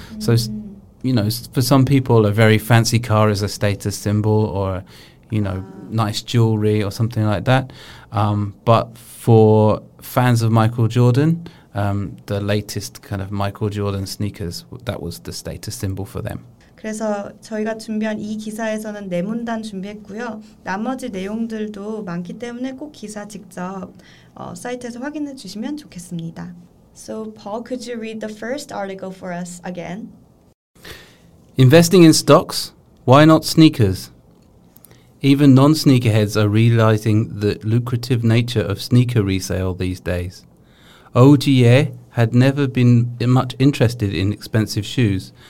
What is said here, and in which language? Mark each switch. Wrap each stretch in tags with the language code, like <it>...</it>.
<en>So you know, for some people a very fancy car is a status symbol or you know, nice jewelry or something like that. But for fans of Michael Jordan, the latest kind of Michael Jordan sneakers, that was the status symbol for them.</en> <ko>그래서 저희가 준비한 이 기사에서는 네 문단 준비했고요. 나머지 내용들도 많기 때문에 꼭 기사 직접 사이트에서 확인해 주시면 좋겠습니다.</ko> <en>So Paul, could you read the first article for us again? Investing in stocks? Why not sneakers? Even non-sneakerheads are realizing the lucrative nature of sneaker resale these days. Ogier had never been much interested in expensive shoes.</en>